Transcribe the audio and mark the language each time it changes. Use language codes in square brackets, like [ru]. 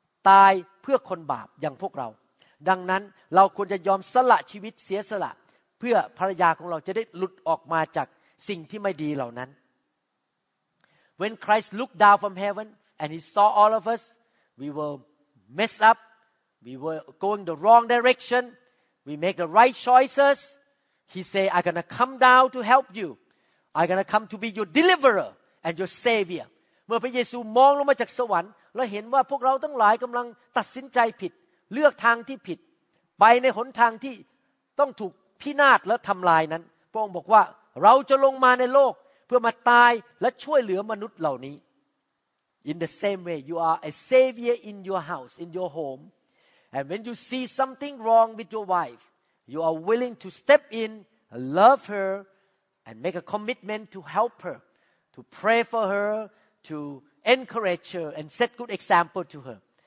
[th] ตายเพื่อคนบาปอย่างพวกเราดังนั้นเราควรจะยอมสละชีวิตเสียสละเพื่อภรรยาของเราจะได้หลุดออกมาจากสิ่งที่ไม่ดีเหล่านั้น [en] When Christ looked down from heaven and he saw all of us we were messed up we were going the wrong directionWe make the right choices. He say, I'm going to come down to help you. I'm going to come to be your deliverer and your savior. [th] เมื่อพระเยซูมองลงมาจากสวรรค์แล้วเห็นว่าพวกเราทั้งหลายกำลังตัดสินใจผิดเลือกทางที่ผิดไปในหนทางที่ ต้องถูกพินาศและทำลายนั้นพระองค์บอกว่าเราจะลงมาในโลกเพื่อมาตายและช่วยเหลือมนุษย์เหล่านี้ [en] In the same way, you are a savior in your house, in your homeAnd when you see something wrong with your wife, you are willing to step in, love her, and make a commitment to help her, to pray for her, to encourage her, and set good example to her.